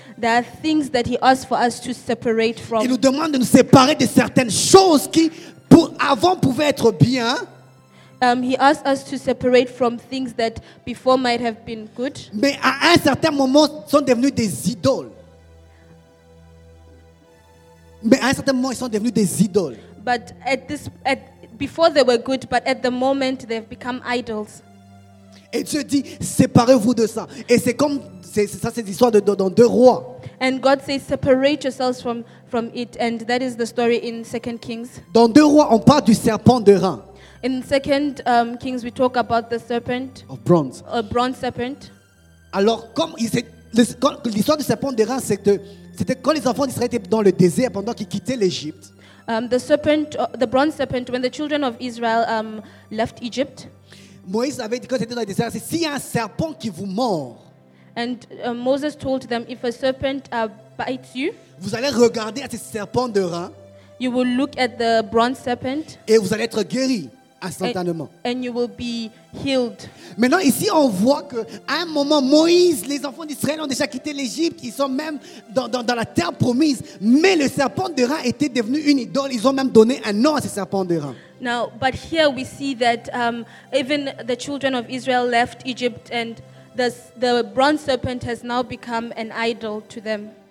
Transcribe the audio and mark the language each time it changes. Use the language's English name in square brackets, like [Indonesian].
[English] There are things that he asks for us to separate from. [French] Il nous demande de nous séparer de certaines choses qui pour avant pouvaient être bien. [English] He asks us to separate from things that before might have been good. [French] Mais à un certain moment sont devenus des idoles. [English] But before they were good, but at the moment they've become idols. [French] Et Dieu dit, séparez-vous de ça. Et c'est comme, ça c'est l'histoire dans 2 rois. [English] And God says, separate yourselves from it. And that is the story in 2 Kings. [French] Dans 2 rois, on parle du serpent de reins. [English] In 2 Kings, we talk about the serpent. Of bronze. A bronze serpent. [French] Alors, comme l'histoire du serpent de reins, c'était quand les enfants d'Israël étaient dans le désert pendant qu'ils quittaient l'Égypte. [English] The bronze serpent, when the children of Israel left Egypt, [French] Moïse avait dit quand c'était dans le désert, s'il y a un serpent qui vous mord, [English] and Moses told them if a serpent bites you, [French] vous allez regarder à ce serpent de rein, [English] you will look at the bronze serpent, [French] et vous allez être guéri instantanément, [English] and you will be healed. [French] Maintenant ici on voit que à un moment Moïse, les enfants d'Israël ont déjà quitté l'Égypte, ils sont même dans la terre promise, mais le serpent de rein était devenu une idole, ils ont même donné un nom à ce serpent de rein. [English] Now, but here we see that even the children of Israel left Egypt and the bronze serpent has now become an idol to them.